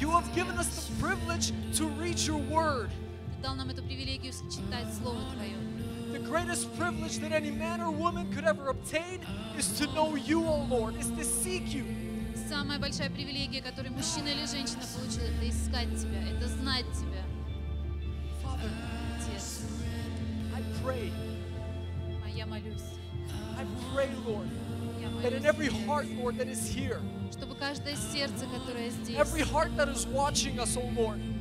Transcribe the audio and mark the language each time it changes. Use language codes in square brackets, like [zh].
[en] You have given us the privilege to read your word. [ru] Ты дал нам эту привилегию читать слово твое. [en] The greatest privilege that any man or woman could ever obtain is to know you, O Lord, is to seek you. [ru] Самая большая привилегия, которую мужчина или женщина получил, это искать тебя, это знать тебя. [en] Father, [ru] Отец, [en] I pray. [ru] А я молюсь. [en] I pray, Lord, that in every heart, Lord, that is here. [ru] Чтобы каждое сердце, которое здесь. [en] Every heart that is watching us, O Lord.